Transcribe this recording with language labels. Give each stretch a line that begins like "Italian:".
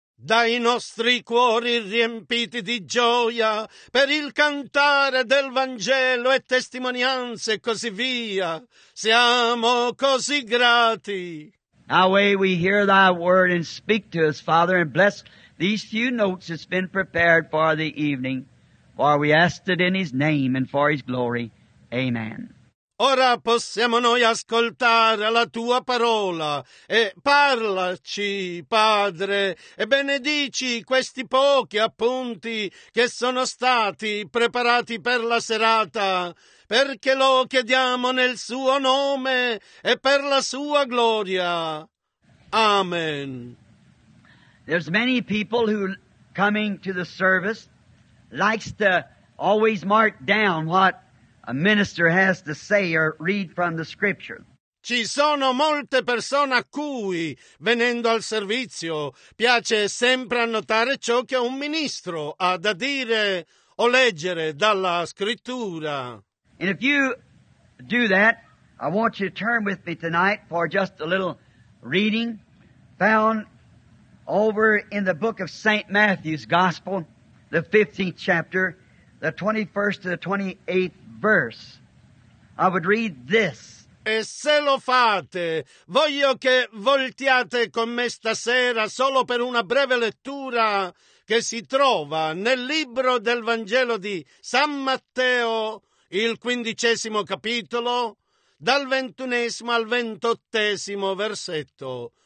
Italian: Dai nostri cuori riempiti di gioia per il cantare del Vangelo e testimonianze e così via. Siamo così grati.
English: Now we hear thy word and speak to us, Father, and bless these few notes that's been prepared for the evening. For we ask it in his name and for his glory. Amen.
Italian: Ora possiamo noi ascoltare la tua parola e parlaci, Padre, e benedici questi pochi appunti che sono stati preparati per la serata, perché lo chiediamo nel suo nome e per la sua gloria. Amen.
English: There's many people who coming to the service likes to always mark down what a minister has to say or read from the scripture.
Italian: Ci sono molte persone a cui, venendo al servizio, piace sempre annotare ciò che un ministro ha da dire o leggere dalla scrittura.
English: And if you do that, I want you to turn with me tonight for just a little reading found over in the book of St. Matthew's Gospel, the 15th chapter, the 21st to the 28th. Verse. I would read this.
Italian: E se lo fate, voglio che voltiate con me stasera solo per una breve lettura che si trova nel libro del Vangelo di San Matteo, il 15° capitolo, dal 21° al 28° versetto.